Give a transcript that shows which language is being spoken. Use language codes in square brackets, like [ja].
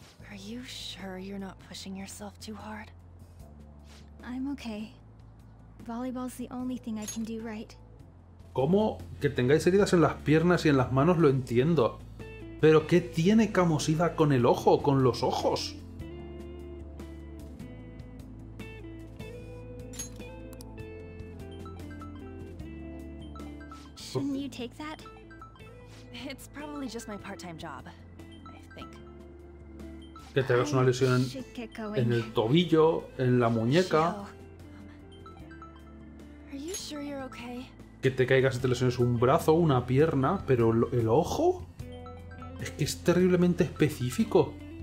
[en] Are you sure you're not pushing yourself too hard? I'm okay. Volleyball's the only thing I can do right. [es] ¿Cómo? Que tengáis heridas en las piernas y en las manos lo entiendo. ¿Pero qué tiene Kamoshida con el ojo, con los ojos? [en] ¿Shouldn't you take that? It's probably just my part-time job, I think. [es] Que te hagas una lesión en el tobillo, en la muñeca. [en] Are you sure you're okay? [es] Que te caigas y te lesiones un brazo, una pierna, pero ¿el ojo? Es que es terriblemente específico.